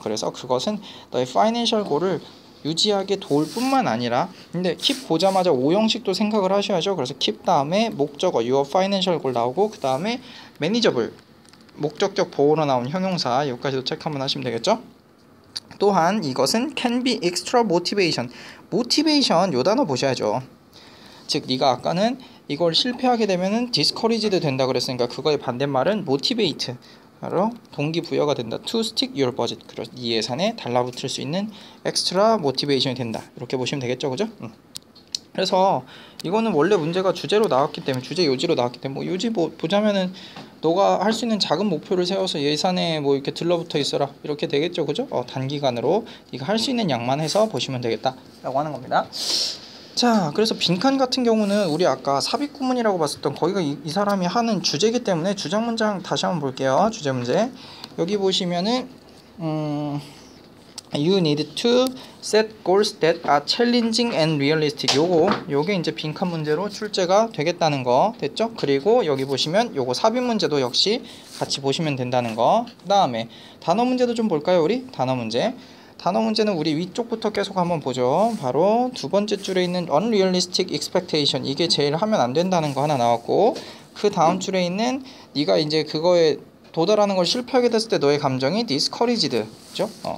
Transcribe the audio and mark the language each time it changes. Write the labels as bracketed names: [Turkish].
[Korean] 그래서 그것은 너의 financial goal을 유지하게 도울 뿐만 아니라, 근데 keep 보자마자 5형식도 생각을 하셔야죠. 그래서 keep 다음에 목적어 your financial goal 나오고, 그 다음에 manageable 목적격 보호로 나온 형용사, 여기까지도 체크 한번 하시면 되겠죠. 또한 이것은 [English] can be extra motivation. [Korean] 모티베이션 요 단어 보셔야죠. 즉 네가 아까는 이걸 실패하게 되면은 discouraged 된다 그랬으니까 그거의 반대말은 motivate, 바로 동기부여가 된다. [English] to stick your budget, [Korean] 그래서 이 예산에 달라붙을 수 있는 extra motivation이 된다, 이렇게 보시면 되겠죠, 그죠? 그래서 이거는 원래 문제가 주제로 나왔기 때문에, 주제 요지로 나왔기 때문에, 뭐 요지 뭐 보자면은 너가 할 수 있는 작은 목표를 세워서 예산에 뭐 이렇게 들러붙어 있어라, 이렇게 되겠죠, 그죠? 단기간으로 네가 할 수 있는 양만 해서 보시면 되겠다 라고 하는 겁니다. 자, 그래서 빈칸 같은 경우는 우리 아까 삽입구문이라고 봤었던 거기가 이 사람이 하는 주제이기 때문에 주장 문장 다시 한번 볼게요. 주제 문제 여기 보시면은 [English] you need to set goals that are challenging and realistic. [Korean] 요게 이제 빈칸 문제로 출제가 되겠다는 거 됐죠? 그리고 여기 보시면 요거 삽입 문제도 역시 같이 보시면 된다는 거. 그 다음에 단어 문제도 좀 볼까요, 우리? 단어 문제. 단어 문제는 우리 위쪽부터 계속 한번 보죠. 바로 두 번째 줄에 있는 unrealistic expectation, 이게 제일 하면 안 된다는 거 하나 나왔고, 그 다음 줄에 있는 네가 이제 그거에 도달하는 걸 실패하게 됐을 때 너의 감정이 discouraged, 그죠?